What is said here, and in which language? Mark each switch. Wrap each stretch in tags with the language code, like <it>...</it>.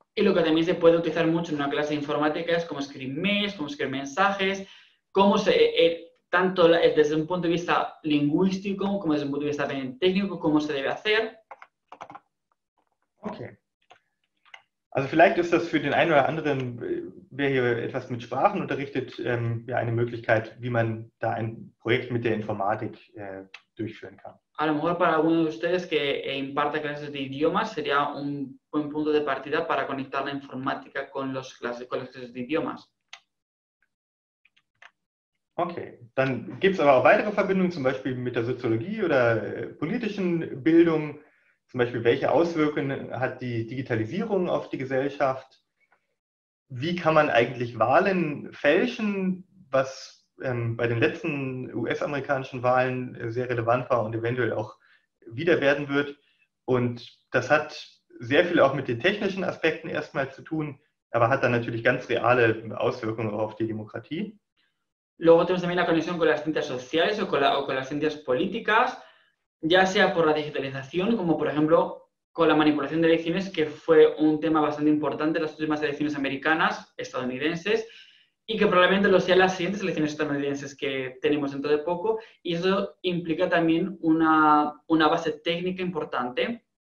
<es>Y lo que también se puede utilizar mucho en una clase de informática es cómo escribir mails, cómo escribir mensajes, cómo se, tanto desde un punto de vista lingüístico como desde un punto de vista técnico, cómo se debe hacer. Okay.</es> <de>Also vielleicht ist das für den einen oder anderen, wer hier etwas mit Sprachen unterrichtet, eine Möglichkeit, wie man da ein Projekt mit der Informatik durchführen kann.</de> <es>A lo mejor para alguno de ustedes que imparta clases de idiomas sería un buen punto de partida para conectar la informática con los clases, con las clases de idiomas.</es> <de>Okay, dann gibt es aber auch weitere Verbindungen, zum Beispiel mit der Soziologie oder politischen Bildung. Zum Beispiel, welche Auswirkungen hat die Digitalisierung auf die Gesellschaft? Wie kann man eigentlich Wahlen fälschen, was bei den letzten US-amerikanischen Wahlen sehr relevant war und eventuell auch wieder werden wird? Und das hat sehr viel auch mit den technischen Aspekten erstmal zu tun, aber hat dann natürlich ganz reale Auswirkungen auf die Demokratie.</de> <es>Luego tenemos también la conexión con las ciencias sociales o con las ciencias políticas, ya sea por la digitalización, como por ejemplo con la manipulación de elecciones, que fue un tema bastante importante en las últimas elecciones americanas, estadounidenses, y que probablemente lo sean las siguientes elecciones estadounidenses que tenemos dentro de poco, y eso implica también una base técnica importante.</es>